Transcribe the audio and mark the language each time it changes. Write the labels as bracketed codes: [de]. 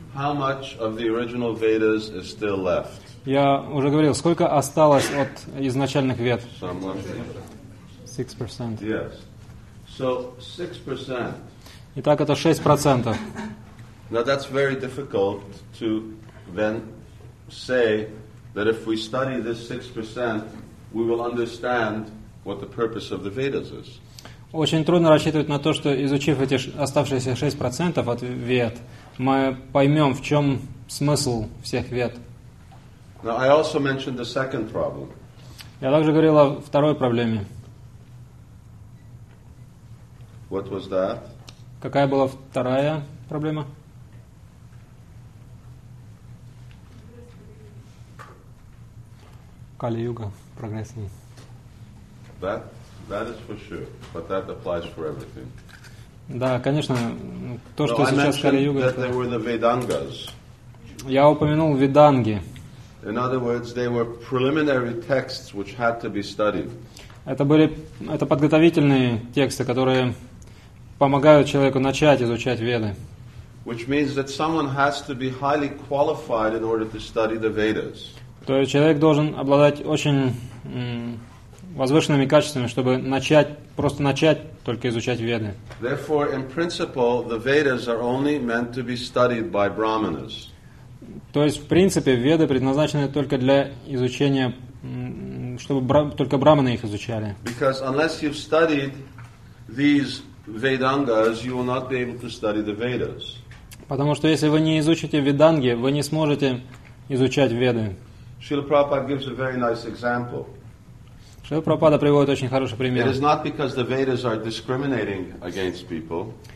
[en] How much of the original Vedas is still left? [ru] Я уже говорил, сколько осталось от изначальных вед? [en] 6%. Yes. So 6%. [ru] Итак, это 6%. [en] Now that's very difficult to then say that if we study this 6%, we will understand what the purpose of the Vedas is. [ru] Очень трудно рассчитывать на то, что изучив эти оставшиеся 6% от вед, мы поймем, в чем смысл всех вед. [en] Now, I also mentioned the second problem. [ru] Я также говорил о второй проблеме. [en] What was that? [ru] Какая была вторая проблема? Кали-юга, прогресс. [en] That is for sure, but that applies for everything. [ru] Да, конечно, то, что сейчас Кали-юга. [en] That they were the Vedangas. [ru] Я упомянул Веданги. [en] In other words, they were preliminary texts which had to be studied. [ru] Это подготовительные тексты, которые помогают человеку начать изучать Веды. [en] Which means that someone has to be highly qualified in order to study the Vedas. [ru] То есть человек должен обладать очень возвышенными качествами, чтобы начать только изучать Веды. [en] Therefore, in principle, the Vedas are only meant to be studied by brahmanas. [ru] То есть, в принципе, Веды предназначены только для изучения, чтобы только брахманы их изучали. [en] Because unless you've studied these Vedangas, you will not be able to study the Vedas. [ru] Потому что если вы не изучите Веданги, вы не сможете изучать Веды. [en] Шрила Прабхупада gives a very nice example. [ru] Шрила Прабхупада приводит очень хороший пример. [en] It is not because the Vedas are discriminating against people.